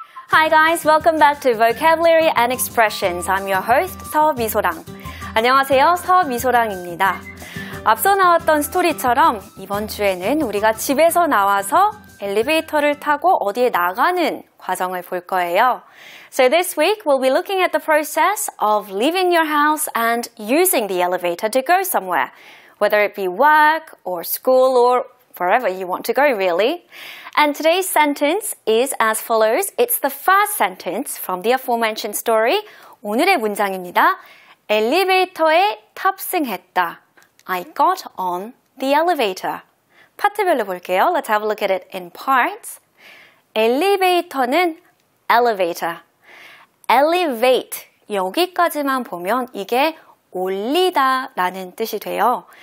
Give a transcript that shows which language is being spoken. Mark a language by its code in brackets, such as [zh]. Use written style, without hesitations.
[en] Hi guys, welcome back to Vocabulary and Expressions. I'm your host, 서미소랑. [ko] 안녕하세요, 서미소랑입니다. 앞서 나왔던 스토리처럼 이번 주에는 우리가 집에서 나와서 엘리베이터를 타고 어디에 나가는 과정을 볼 거예요. [en] So this week, we'll be looking at the process of leaving your house and using the elevator to go somewhere, whether it be work or school or wherever you want to go, really. And today's sentence is as follows. It's the first sentence from the aforementioned story. [ko] 오늘의 문장입니다. 엘리베이터에 탑승했다. [en] I got on the elevator. [ko] 파트별로 볼게요. [en] Let's have a look at it in parts. [ko] 엘리베이터는 [en] elevator. Elevate. [ko] 여기까지만 보면 이게 올리다 라는 뜻이 돼요.